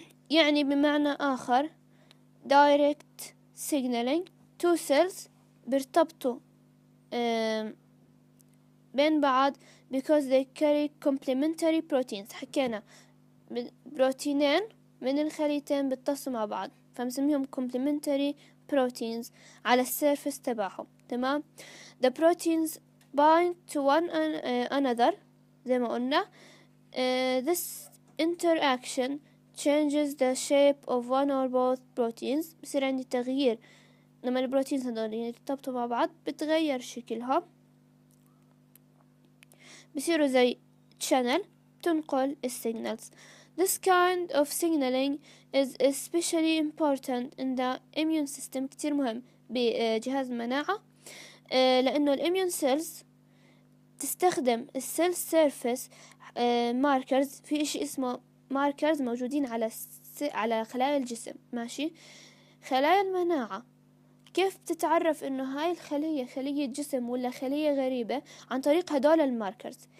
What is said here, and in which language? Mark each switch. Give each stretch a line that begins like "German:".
Arabic: يعني بمعنى اخر دايركت سيجنالينج، تو سيلز بيرتبطوا بين بعض
English: because they carry complementary proteins.
Arabic: حكينا بروتينين من الخليتين بيتصلوا مع بعض فمسميهم complementary proteins على السيرفس تبعهم، تمام.
English: The proteins bind to one another
Arabic: زي ما قلنا.
English: This interaction changes the shape of one or both proteins.
Arabic: بصير عندي تغيير لما البروتينز هدول يرتبطوا مع بعض، بتغير شكلهم بصيروا زي channel تنقل السيجنالز.
English: This kind of signaling is especially important in the immune system.
Arabic: كتير مهم بجهاز المناعة، لأنه الإميون سيلز تستخدم السيل سيرفيس ماركرز. في إشي اسمه ماركرز موجودين على خلايا الجسم، ماشي. خلايا المناعة كيف بتتعرف إنه هاي الخلية خلية جسم ولا خلية غريبة؟ عن طريق هدول الماركرز.